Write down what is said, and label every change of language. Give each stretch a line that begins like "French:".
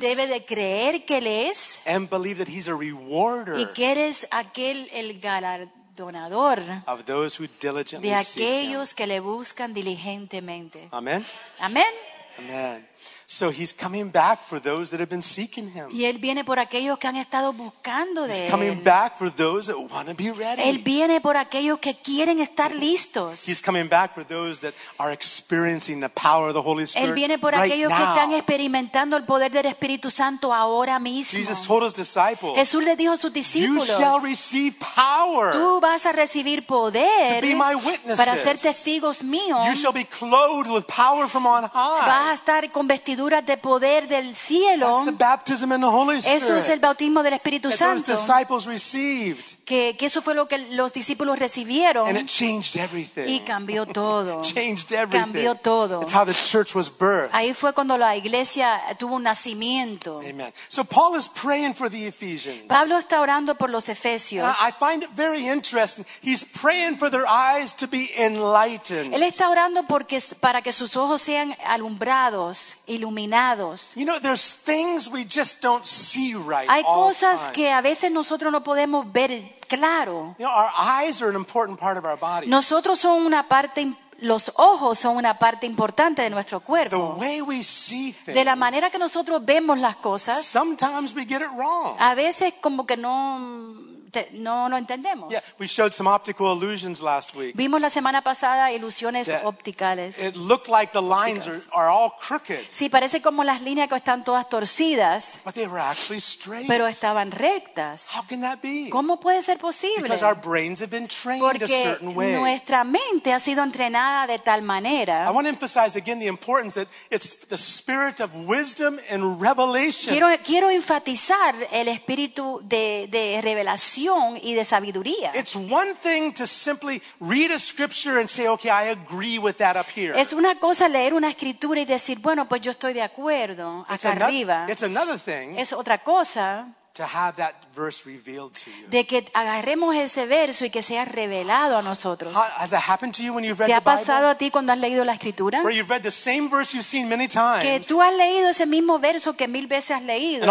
Spanish: debe de creer que él es
English: and believe that he's a rewarder
Spanish: y que eres aquel el galardonador
English: of those who diligently
Spanish: de aquellos
English: seek him.
Spanish: Que le buscan diligentemente.
English: Amen.
Spanish: Amen.
English: Amen. So he's coming back for those that have been seeking him.
Spanish: Y él viene por aquellos que han estado buscando de él.
English: He's coming back for those that want to be ready.
Spanish: Él viene por aquellos que quieren estar listos.
English: He's coming back for those that are experiencing the power of the Holy Spirit.
Spanish: Él viene por aquellos que están experimentando el poder del Espíritu Santo ahora mismo.
English: Jesus told his disciples.
Spanish: Jesús le dijo a sus discípulos.
English: You shall receive power.
Spanish: Tú vas a recibir poder.
English: To be my witnesses.
Spanish: Para ser testigos míos.
English: You shall be clothed with power from on high.
Spanish: Vas a estar con vestiduras de poder del cielo.
English: That's the baptism in the Holy Spirit.
Spanish: Eso es el bautismo del Espíritu Santo.
English: That those disciples received.
Spanish: Que eso fue lo que los discípulos recibieron.
English: And it changed everything.
Spanish: Y cambió todo.
English: Changed everything.
Spanish: Cambió todo.
English: It's how the church was birthed.
Spanish: Ahí fue cuando la iglesia tuvo un nacimiento.
English: Amen. So Paul is praying for the Ephesians.
Spanish: Pablo está orando por los Efesios.
English: I find it very interesting. He's praying for their eyes to be enlightened.
Spanish: Él está orando porque para que sus ojos sean alumbrados, iluminados.
English: You know, there's things we just don't see right.
Spanish: Hay cosas que a veces nosotros no podemos ver. Claro.
English: You know, our eyes are an important part of our body.
Spanish: Nosotros son una parte, los ojos son una parte importante de nuestro cuerpo.
English: The way we see things,
Spanish: de la manera que nosotros vemos las cosas,
English: sometimes we get it wrong.
Spanish: A veces como que no entendemos.
English: Yeah, we showed some optical illusions last week.
Spanish: Vimos la semana pasada ilusiones ópticas.
English: It looked like the lines are all crooked.
Spanish: Sí, parece como las líneas que están todas torcidas.
English: But they were actually straight.
Spanish: Pero estaban rectas.
English: How can that be?
Spanish: ¿Cómo puede ser posible?
English: Because our brains have been trained
Spanish: porque
English: a certain way.
Spanish: Nuestra mente ha sido entrenada de tal manera.
English: I want to emphasize again the importance that it's the spirit of wisdom and revelation.
Spanish: Quiero enfatizar el espíritu de revelación y de sabiduría.
English: It's one thing to simply read a scripture and say, okay, I agree with that up here.
Spanish: Es una cosa leer una escritura y decir, bueno, pues yo estoy de acuerdo acá arriba.
English: It's another thing.
Spanish: Es otra cosa.
English: To have that verse revealed to you.
Spanish: De que agarremos ese verso y que sea revelado a nosotros.
English: Has it happened to you when you've read the
Spanish: Bible? ¿Te ha pasado a ti cuando has leído la escritura?
English: Where you've read the same verse you've seen many times.
Spanish: Que tú has leído ese mismo verso que mil veces has leído.